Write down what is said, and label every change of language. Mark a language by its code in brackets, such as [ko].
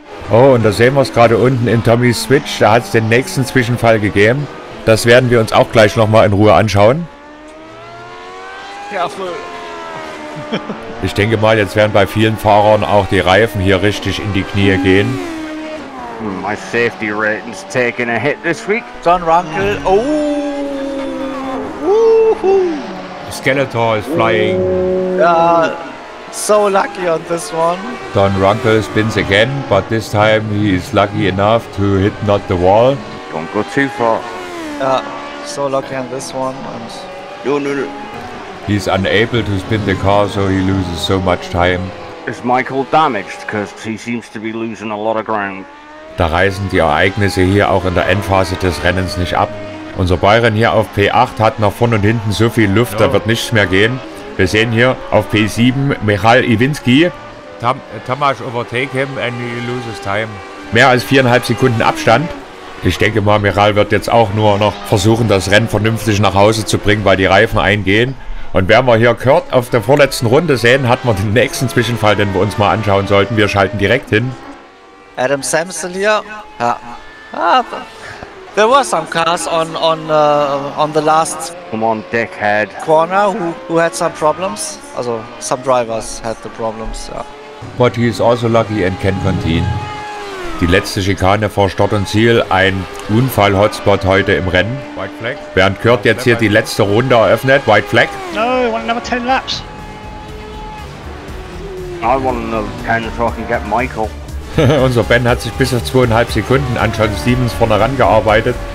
[de] Oh, und da sehen wir es gerade unten in Tommys Switch. Da hat es den nächsten Zwischenfall gegeben. Das werden wir uns auch gleich nochmal in Ruhe anschauen. [en] Careful. [de] Ich denke mal, jetzt werden bei vielen Fahrern auch die Reifen hier richtig in die Knie gehen. [en] My safety rating's taking a hit this week. Don Runkle. Oh. Woohoo. Skeletor is flying. So lucky on this one. Don Runkle spins again, but this time he is lucky enough to hit not the wall. Don't go too far. So lucky on this one. And... No. He's unable to spin the car, so he loses so much time. Is Michael damaged? Because he seems to be losing a lot of ground. [de] Da reißen die Ereignisse hier auch in der Endphase des Rennens nicht ab. Unser Bayern hier auf P8 hat nach vorne und hinten so viel Luft, da wird nichts mehr gehen. Wir sehen hier auf P7 Michal Iwinski. [en] Tamás overtake him and he loses time. [de] Mehr als 4,5 Sekunden Abstand. Ich denke mal, Michal wird jetzt auch nur noch versuchen, das Rennen vernünftig nach Hause zu bringen, weil die Reifen eingehen. Und wenn wir hier Kurt auf der vorletzten Runde sehen, hat man den nächsten Zwischenfall, den wir uns mal anschauen sollten. Wir schalten direkt hin. [en] Adam Samson [de] hier. Ja. [en] There were some cars on the last come on, dickhead. Corner who had some problems. Also some drivers had the problems. Yeah. But he is also lucky and can continue. [de] Die letzte Schikane vor Start und Ziel, ein Unfall-Hotspot heute im Rennen. [en] White flag. [de] Während Kurt [en] white [de] jetzt hier die letzte Runde eröffnet, [en] white flag. No, I want another 10 laps. I want another 10 so I can get Michael. [de] Unser Ben hat sich bis auf 2,5 Sekunden an John Stevens vorne rangearbeitet.